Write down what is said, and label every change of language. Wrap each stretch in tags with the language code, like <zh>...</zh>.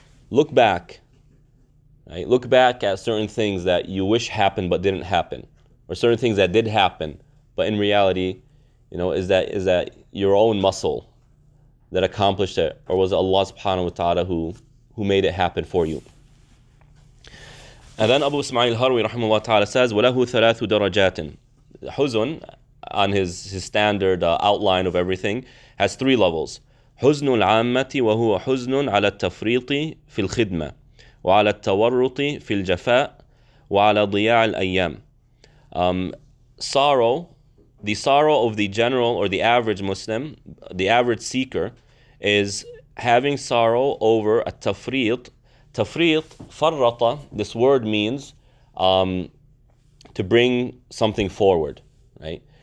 <en>Look back, right? Look back at certain things that you wish happened but didn't happen, or certain things that did happen, but in reality, you know, is that your own muscle that accomplished it, or was it Allah subhanahu wa ta'ala who made it happen for you? And then Abu Ismail Harwi rahimahullah ta'ala says,</en> <ar>وَلَهُ ثَلَاثُ دَرَجَاتٍ.</ar> <en>Huzn, on his standard outline of everything, has three levels.</en> <ar>حُزْنُ الْعَامَّةِ وَهُوَ حُزْنٌ عَلَى التَّفْرِيطِ فِي الْخِدْمَةِ وعلى التورط في الجفاء وعلى ضياع الأيام.</ar> <en>Sorrow, the sorrow of the general or the average Muslim, the average seeker, is having sorrow over التفريط. تفريط, فرط, this word means to bring something forward, right?</en>